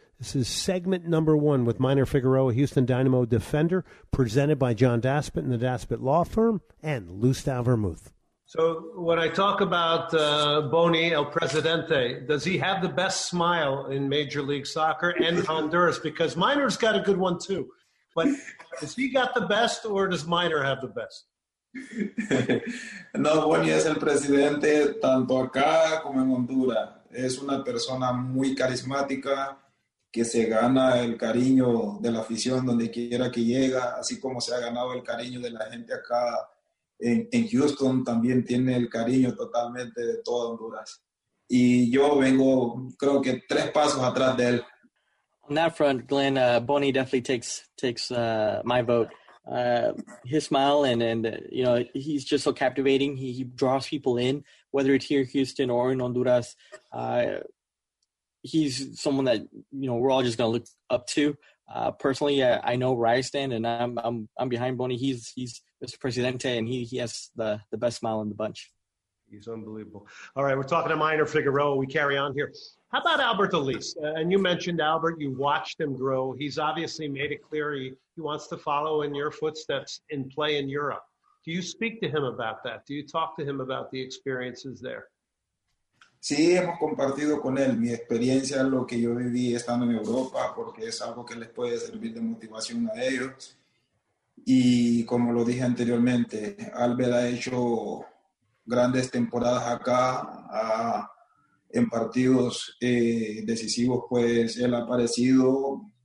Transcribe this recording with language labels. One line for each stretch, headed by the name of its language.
English: This is segment number one with Minor Figueroa, Houston Dynamo defender, presented by John Daspit and the Daspit Law Firm and Lou Stavermuth. So when I talk about Boney El Presidente, does he have the best smile in Major League Soccer and Honduras? Because Minor's got a good one too. But has he got the best or does Minor have the best?
Spanish: No, Boney es el presidente tanto acá como en Honduras. Es una persona muy carismática, que se gana el cariño de la afición donde quiera que llega, así como se ha ganado el cariño de la gente acá en Houston, también tiene el cariño totalmente de toda Honduras. Y yo vengo, creo que tres pasos atrás de él.
English: On that front, Glenn, Boney definitely takes my vote. His smile and you know, he's just so captivating. He draws people in, whether it's here in Houston or in Honduras. He's someone that, you know, we're all just going to look up to. Personally, I know where I stand, and I'm behind Boney. He's Mr. Presidente, and he has the best smile in the bunch. He's unbelievable. All right, we're talking to Minor Figueroa. We carry on here. How about Albert Elis? And you mentioned Albert. You watched him grow. He's obviously made it clear he wants to follow in your footsteps and play in Europe. Do you speak to him about that? Do you talk to him about the experiences there?
Spanish: Sí, hemos compartido con él mi experiencia, lo que yo viví estando en Europa, porque es algo que les puede servir de motivación a ellos. Y como lo dije anteriormente, Albert ha hecho grandes temporadas acá, en partidos decisivos, pues él ha aparecido.